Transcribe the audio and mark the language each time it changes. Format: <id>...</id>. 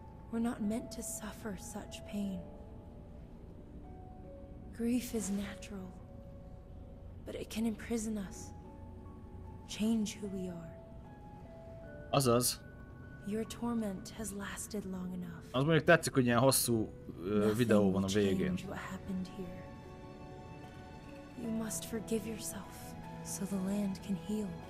<en>We're not meant to suffer such pain. Grief is natural, but it can imprison us, change who we are. Azaz. Your torment has lasted long enough.</en> <hu>Az mondjuk tetszik, hogy ilyen hosszú videó van a végén.</hu> <en>Nothing will change what happened here. You must forgive yourself, so the land can heal.</en>